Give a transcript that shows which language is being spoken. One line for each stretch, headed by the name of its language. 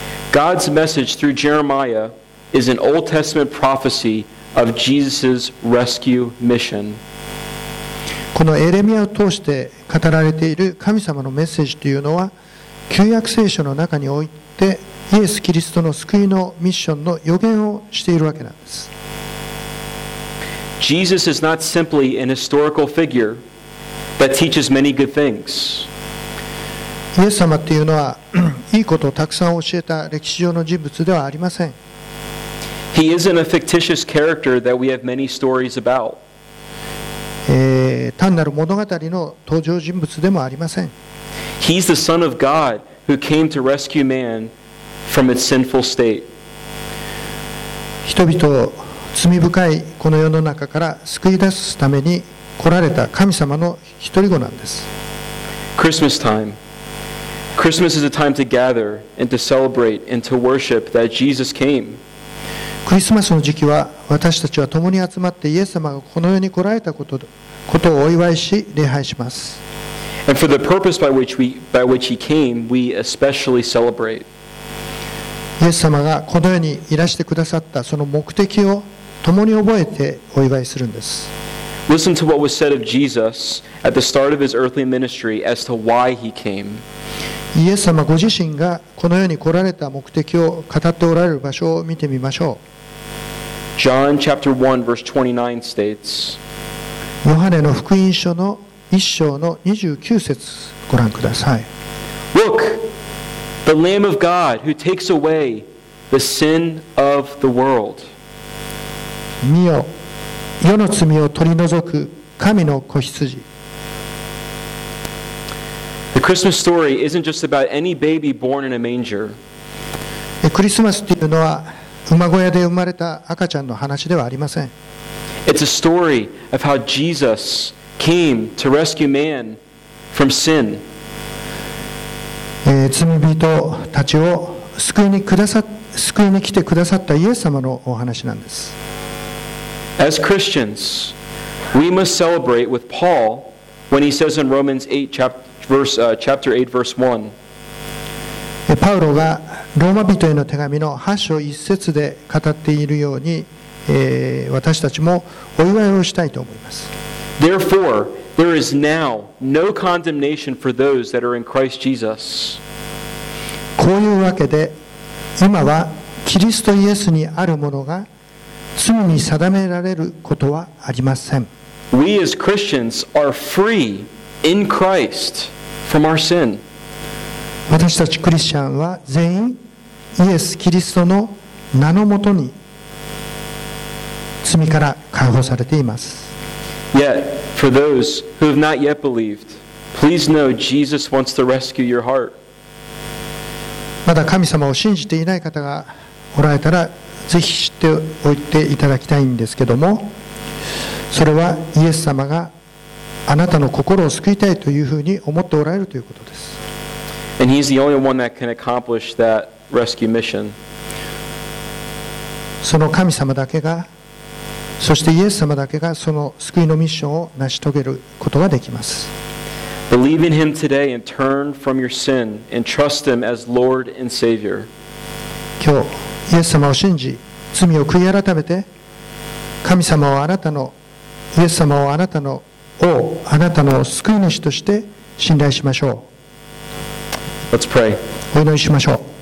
English: God's message through Jeremiah is an Old Testament prophecy of Jesus' rescue mission.
Japanese: このエレミアを通して語られている神様のメッセージというのは、旧約聖書の中においてイエス・キリストの救いのミッションの予言をしているわけなんです。
English: Jesus is not simply an historical figure that teaches many good things.
Japanese: イエス様というのは、いいことをたくさん教えた歴史上の人物ではありません。
English: He isn't a fictitious character that we have many stories about.
Japanese: 単なる物語の登場人物でもありません。
English: He's the Son of God who came to rescue man from its sinful state.
Japanese: 人々を罪深いこの世の中から救い出すために来られた神様の一人子なんです。
English: Christmas time. Christmas is a time to gather and to celebrate and to worship that Jesus came.
Japanese: クリスマスの時期は私たちは共に集まってイエス様がこの世に来られたことをお祝いし礼拝します。
English: And for the purpose by which he came, we especially celebrate.
Japanese: イエス様がこの世にいらしてくださったその目的を共に覚えてお祝いするんです。
English: Listen to what was said of Jesus at the start of his earthly ministry as to why he came.
Japanese: イエス様ご自身がこの世に来られた目的を語っておられる場所を見てみましょう。
English: John chapter 1 verse 29 states.
Japanese: ヨハネの福音書の1章の29節ご覧ください。
English: Look! The Lamb of God who takes away the sin of the world.
Japanese: 見よ、世の罪を取り除く神の子羊。
English: The Christmas story isn't just about any baby born in a manger.
Japanese: クリスマスというのは馬小屋で生まれた赤ちゃんの話ではありません。
English: It's a story of how Jesus came to rescue man from sin.
Japanese: 罪人たちを救いに来てくださったイエス様のお話なんです。
English: As Christians, we must celebrate with Paul when he says in Romans 8, chapter 8, verse 1.
Japanese: パウロがローマ人への手紙の8章1節で語っているように、私たちもお祝いをしたいと思います。
English: Therefore, there is now no condemnation for those that are in Christ Jesus.
Japanese: こういうわけで、今はキリストイエスにあるものが罪に定められることはありません。
English: We as Christians are free in Christ from our sin.
Japanese: 私たちクリスチャンは全員イエス・キリストの名のもとに罪から解放されています。
English: Yet, for those who have not yet believed, please know Jesus wants to rescue your heart.
Japanese: まだ神様を信じていない方がおられたら、ぜひ知っておいていただきたいんですけども、それはイエス様があなたの心を救いたいというふうに思っておられるということです。
English: And he's the only one that can accomplish that rescue mission.
Japanese: その神様だけが、そしてイエス様だけがその救いのミッションを成し遂げることができます。
English: Believe in him today and turn from your sin and trust him as Lord and Savior.
Japanese: 今日、イエス様を信じ、罪を悔い改めて、神様をあなたの、イエス様をあなたの王、あなたの救い主として信頼しましょう。
English: Let's pray.
Japanese: お祈りしましょう。